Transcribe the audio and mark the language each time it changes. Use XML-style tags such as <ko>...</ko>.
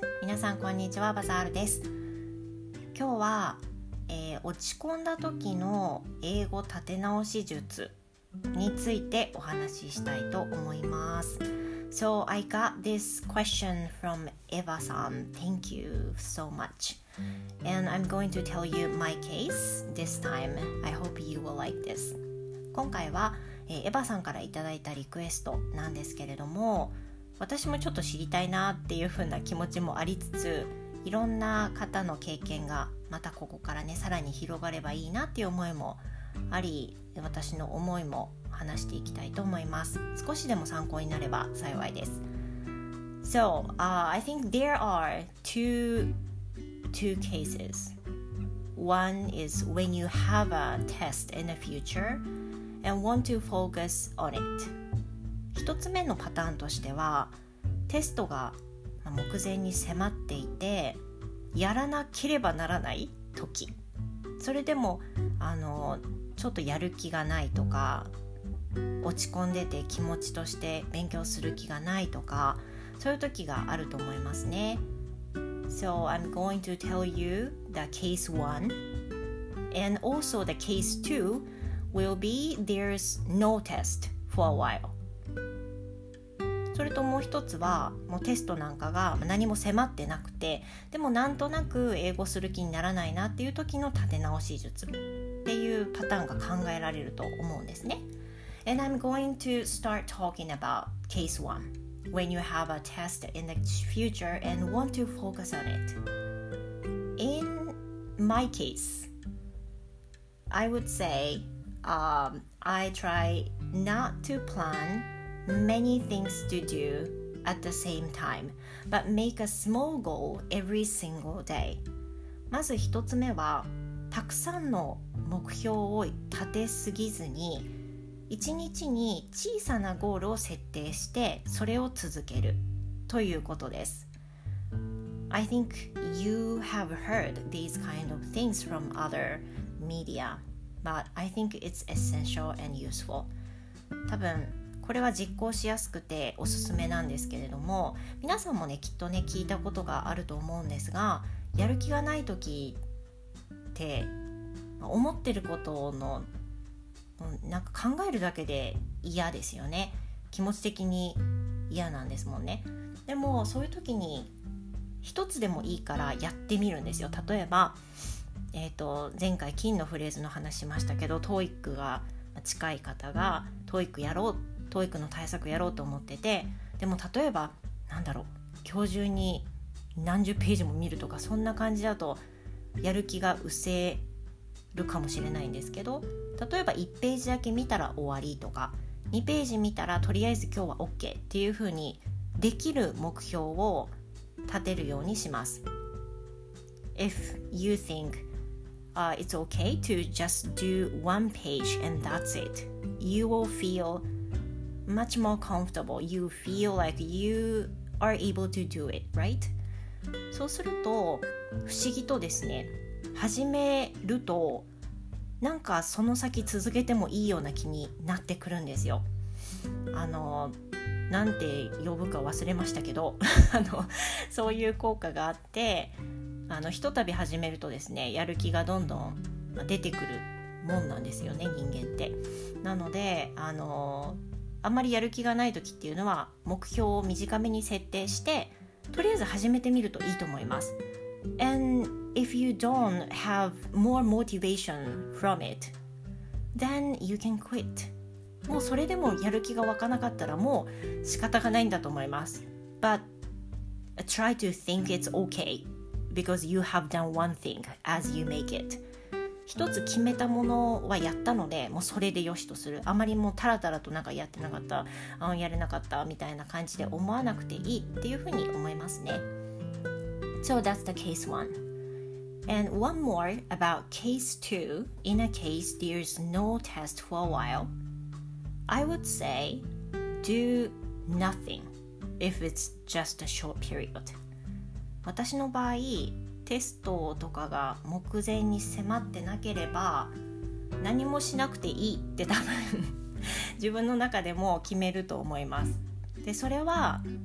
<ja>皆さんこんにちは、バザールです。今日は、落ち込んだ時の英語立て直し術についてお話ししたいと思います。</ja> <en>So I got this question from Eva-san. Thank you so much. And I'm going to tell you my case this time. I hope you will like this.</en> <ja>今回は、エヴァさんからいただいたリクエストなんですけれども、私もちょっと知りたいなっていう風な気持ちもありつつ、いろんな方の経験がまたここからね、さらに広がればいいなっていう思いもあり、私の思いも話していきたいと思います。少しでも参考になれば幸いです。</ja> <en>So, I think there are two cases. One is when you have a test in the future and want to focus on it.</en> <ja>一つ目のパターンとしては、テストが目前に迫っていて、やらなければならない時、それでもちょっとやる気がないとか、落ち込んでて気持ちとして勉強する気がないとか、そういう時があると思いますね。</ja> <en>So I'm going to tell you the case one and also the case two will be there's no test for a while.</en> <ja>それともう一つは、もうテストなんかが何も迫ってなくて、でもなんとなく英語する気にならないなっていう時の立て直し術っていうパターンが考えられると思うんですね。</ja> <en>And I'm going to start talking about case one. When you have a test in the future and want to focus on it. In my case, I would say, I try not to planMany things to do at the same time, but make a small goal every single day.</en> <ja>まず一つ目は、たくさんの目標を立てすぎずに、一日に小さなゴールを設定して、それを続けるということです。</ja> <en>I think you have heard these kind of things from other media, but I think it's essential and useful.</en> <ja>多分これは実行しやすくておすすめなんですけれども、皆さんもねきっとね聞いたことがあると思うんですが、やる気がない時って思ってることのなんか考えるだけで嫌ですよね。気持ち的に嫌なんですもんね。でもそういう時に一つでもいいからやってみるんですよ。例えば、前回金のフレーズの話しましたけど、トーイックが近い方がトーイックやろう、トーイックの対策やろうと思ってて、でも例えば今日中に何十ページも見るとか、そんな感じだとやる気が失せるかもしれないんですけど、例えば1ページだけ見たら終わりとか、2ページ見たらとりあえず今日は OK っていう風にできる目標を立てるようにします。</ja> <en>If you think it's okay to just do one page and that's it, you will feelmuch more comfortable. You feel like you are able to do it, right?</en> <ja>そうすると不思議とですね、始めるとなんかその先続けてもいいような気になってくるんですよ。なんて呼ぶか忘れましたけどそういう効果があって、ひとたび始めるとですね、やる気がどんどん出てくるもんなんですよね、人間って。なのであんまりやる気がない時っていうのは、目標を短めに設定してとりあえず始めてみるといいと思います。</ja> <en>And if you don't have more motivation from it, then you can quit.</en> <ja>もうそれでもやる気が湧かなかったらもう仕方がないんだと思います。</ja> <en>But try to think it's okay because you have done one thing as you make it.</en> <ja>一つ決めたものはやったので、もうそれで良しとする。あまりもうタラタラとなんかやってなかった、やれなかったみたいな感じで思わなくていいっていうふうに思いますね。</ja> <en>So that's the case one. And one more about case two. In a case there's no test for a while, I would say do nothing if it's just a short period.</en> <ja>私の場合、テストとかが目前に迫ってなければ何もしなくていいって多分自分の中でも決めると思います。で、それは</ja>